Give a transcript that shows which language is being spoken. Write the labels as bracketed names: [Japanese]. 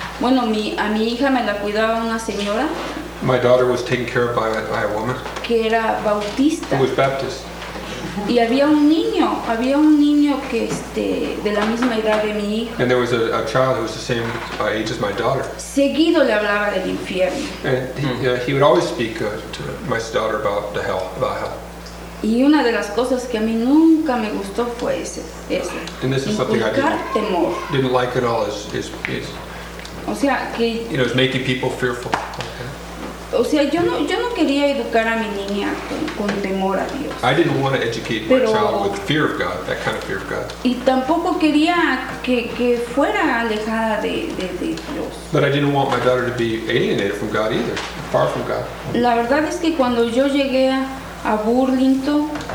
[Spanish] Bueno, a mi hija me la cuidaba una señora. [English] My daughter was taken care of by a woman. [Spanish] Que era bautista. [English] Who was Baptist. [Spanish] Y había un niño que de la misma edad de mi hijo. [English] And there was a child who was the same age as my daughter. [Spanish] Seguido le hablaba del infierno. [English] And he would always speak to my daughter about the hell, about hell. [Spanish] Y una de las cosas que a mí nunca me gustó fue ese. [English] And this is something I didn't like at all. Is [Spanish] o sea que. [English] You know, it's making people fearful. [Spanish] O sea, yo no quería educar a mi niña con temor a Dios. [English] I didn't want to educate my child with fear of God, that kind of fear of God. [Spanish] Y tampoco quería que fuera alejada de Dios. [English] But I didn't want my daughter to be alienated from God either, far from God. [Spanish] La verdad es que cuando yo llegué a Burlington,